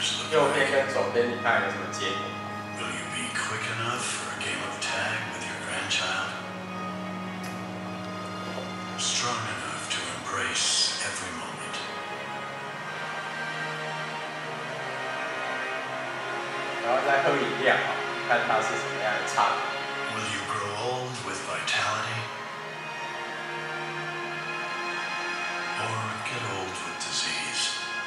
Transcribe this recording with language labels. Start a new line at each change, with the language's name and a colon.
Chinese: 右边跟左边，你看有什么结果？
English: Will you be quick enough for a game of tag with your grandchild? Strong enough to embrace every moment.
Chinese: 然后再喝饮料，看它是什么样的差别。
English: Will you grow old with vitality, or get old with disease?